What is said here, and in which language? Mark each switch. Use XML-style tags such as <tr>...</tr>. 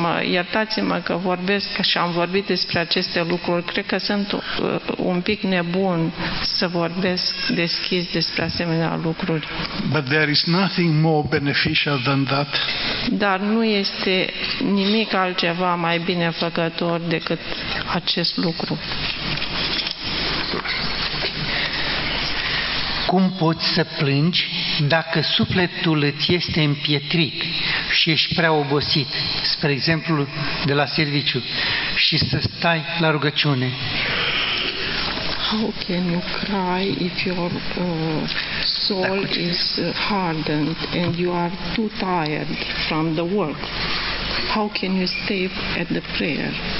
<ro>Iertați-mă că vorbesc și am vorbit despre aceste lucruri. Cred că sunt un pic nebun să vorbesc deschis despre asemenea lucruri.</ro> <en>But there is nothing more beneficial than that.</en> <ro>Dar nu este nimic altceva mai binefăcător decât acest lucru. Cum poți să plângi dacă sufletul îți este împietrit și ești prea obosit, spre exemplu, de la serviciu, și să stai la rugăciune?</ro> <en>How can you cry if your soul is hardened and you are too tired from the work? How can you stay at the prayer?</en>